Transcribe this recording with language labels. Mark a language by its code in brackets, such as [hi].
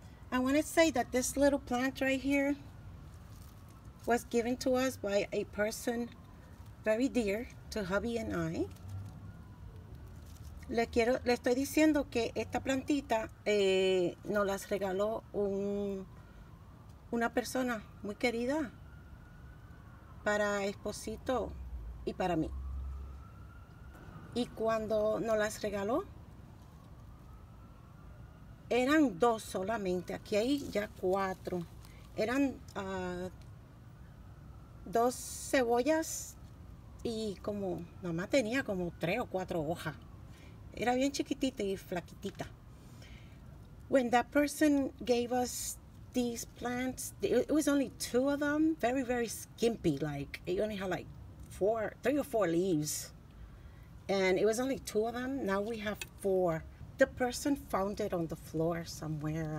[en] I want to say that this little plant right here was given to us by a person very dear to hubby and I. [es] Le estoy diciendo que esta plantita nos las regaló una persona muy querida para Esposito y para mí. Y cuando nos las regaló, eran dos solamente, aquí hay ya cuatro. Eran dos cebollas y como nomás tenía como tres o cuatro hojas. Era bien chiquitita y flaquitita. [en] When that person gave us these plants, it was only two of them, very, very skimpy, like it only had like four, three or four leaves. And it was only two of them. Now we have four. The person found it on the floor somewhere.